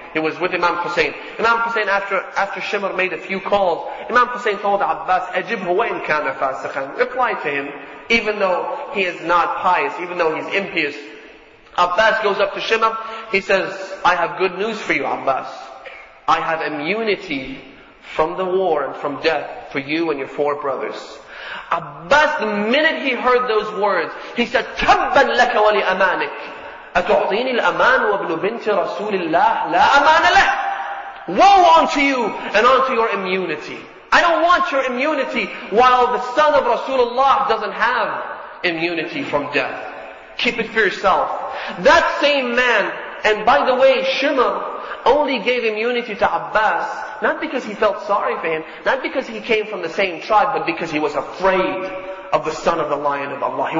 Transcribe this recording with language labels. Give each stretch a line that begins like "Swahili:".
English: He was with Imam Hussein. Imam Hussein, after Shimr made a few calls, Imam Hussein told Abbas,
Arabic: أَجِبْهُ وَإِنْ كَانَ فَاسِخًا.
English: Reply to him, even though he is not pious, even though he's impious. Abbas goes up to Shimr. He says, I have good news for you, Abbas. I have immunity from the war and from death for you and your four brothers. Abbas, the minute he heard those words, he said,
Arabic: تَبَّنْ لَكَ وَلِأَمَانِكَ أَتُعْطِينِ الْأَمَانُ وَابْنُ بِنْتِ رَسُولِ اللَّهِ لَا أَمَانَ لَهِ.
English: Woe unto you and unto your immunity. I don't want your immunity while the son of Rasulullah doesn't have immunity from death. Keep it for yourself. That same man, and by the way, Shimr only gave immunity to Abbas, not because he felt sorry for him, not because he came from the same tribe, but because he was afraid of the son of the Lion of Allah.